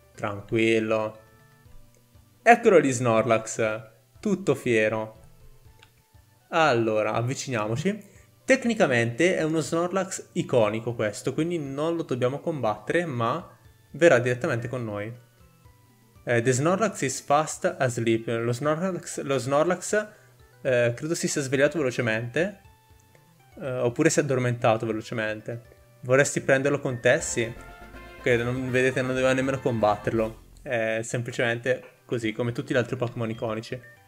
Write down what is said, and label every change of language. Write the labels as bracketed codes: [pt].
[it] Tranquillo. Eccolo lì Snorlax. Tutto fiero. Allora, avviciniamoci. Tecnicamente è uno Snorlax iconico questo, quindi non lo dobbiamo combattere, ma verrà direttamente con noi. [en] The Snorlax is fast asleep. [it] Lo Snorlax credo si sia svegliato velocemente, oppure si è addormentato velocemente. Vorresti prenderlo con te? Sì. Okay, non, vedete, non doveva nemmeno combatterlo. È semplicemente così, come tutti gli altri Pokémon iconici.